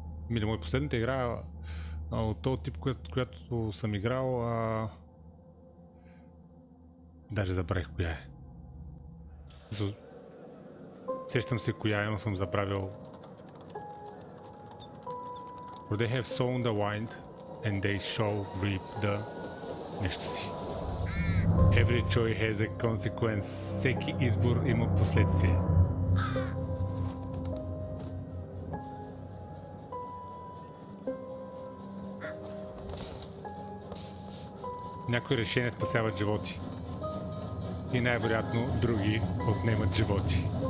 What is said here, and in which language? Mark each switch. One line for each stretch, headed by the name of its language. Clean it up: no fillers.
Bulgarian: Мили мой, последната игра от този тип, която съм играл... Даже забравих коя е. Сещам се коя е, но съм забравил.
English: For they have sown the wind and they shall reap the...
Bulgarian: Нещо си.
English: Every choice has a consequence.
Bulgarian: Всеки избор има последствия. Някои решения спасяват животи. И най-вероятно други отнемат животи.